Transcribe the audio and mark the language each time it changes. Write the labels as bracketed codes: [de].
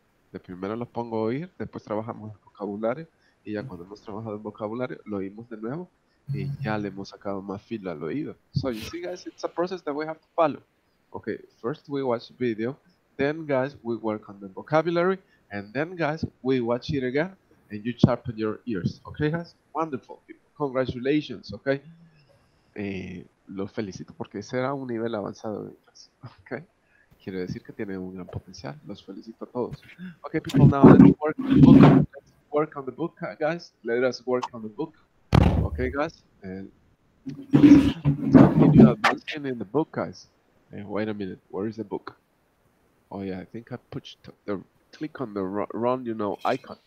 [es] De primero los pongo a oír, después trabajamos el vocabulario, y ya cuando hemos trabajado el vocabulario, lo oímos de nuevo, y ya le hemos sacado más filo al oído. [en] So, you see, guys, it's a process that we have to follow. Okay, first we watch the video, then, guys, we work on the vocabulary, and then, guys, we watch it again, and you sharpen your ears. Okay, guys? Wonderful. Congratulations, okay? [es] Lo felicito porque ese era un nivel avanzado de inglés, okay? Quiere decir que tiene un gran potencial. Los felicito a todos. [en] Okay, people, now let's work on the book. Let's work on the book, guys. Let us work on the book. Okay, guys. Let's continue advancing in the book, guys. Wait a minute. Where is the book? Oh yeah, I think I pushed the click on the wrong, you know, icon.